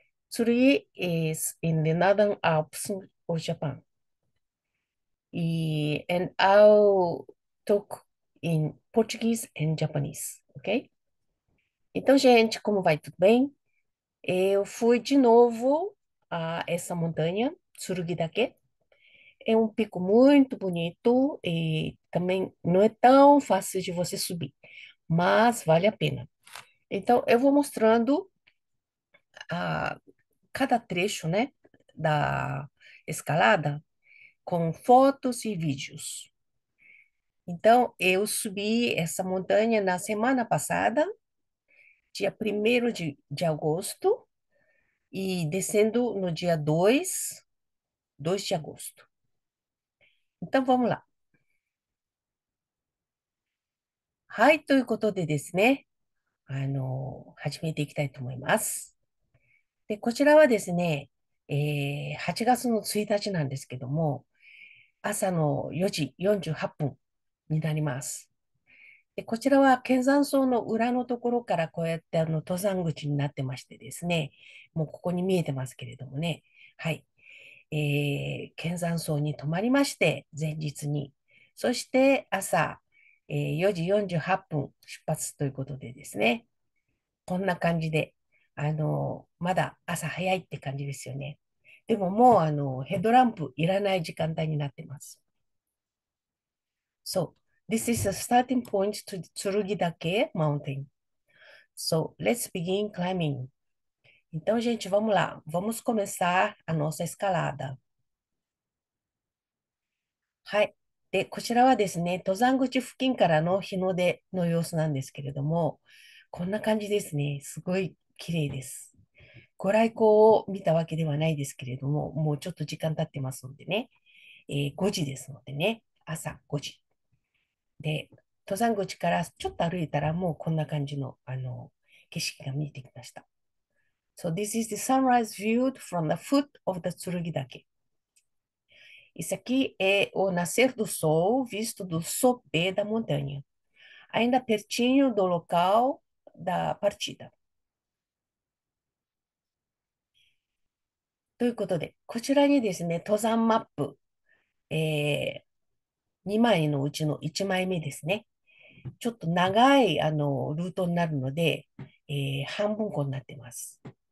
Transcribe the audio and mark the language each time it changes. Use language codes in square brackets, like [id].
[en] 剣 is in the Northern Alps of Japan. And I'll talk in Portuguese and Japanese, ok? [pt] Então, gente, como vai? Tudo bem? Eu fui de novo a essa montanha, Tsurugi Dake. É um pico muito bonito e também não é tão fácil de você subir, mas vale a pena. Então, eu vou mostrando a cada trecho, né, da escalada, com fotos e vídeos. Então, eu subi essa montanha na semana passada, dia 1º de agosto, e descendo no dia 2 de agosto. Então, vamos lá. [ja] はい、ということでですね、始めていきたいと思います。で、こちらはですね、8月の1日なんですけども、朝の4時48分になります。で、こちらは剣山荘の裏のところからこうやって登山口になってましてですね、もうここに見えてますけれどもね、はい。剣山荘に泊まりまして、前日に。そして朝、4時48分出発ということでですね、こんな感じで、まだ朝早いって感じですよね。でももうヘッドランプいらない時間帯になってます。 [en] So, this is a starting point to Tsurugi Dake Mountain. So, let's begin climbing. [pt] Então, gente, vamos lá. Vamos começar a nossa escalada. [ja] はい。で、こちらはですね、登山口付近からの日の出の様子なんですけれども、こんな感じですね。すごい綺麗です。ご来光を見たわけではないですけれども、もうちょっと時間経ってますのでね、5時ですのでね、朝5時。で、登山口からちょっと歩いたらもうこんな感じの、景色が見えてきました。 [en] So this is the sunrise viewed from the foot of the Tsurugi Dake. [pt] Isso aqui é o nascer do sol visto do sopé da montanha, ainda pertinho do local da partida. [ja] ということで、こちらにですね、登山マップ、2枚のうちの1枚目ですね。ちょっと長い、ルートになるので、半分こになってます。